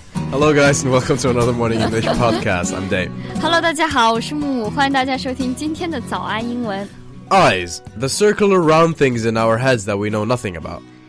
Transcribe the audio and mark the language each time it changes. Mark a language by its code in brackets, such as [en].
[en] Hello, guys, and welcome to another Morning English podcast. I'm Dave. Hello, [zh] 大家好，我是木木，欢迎大家收听今天的早安英文。 [en] Eyes, the circular round things in our heads that we know nothing about.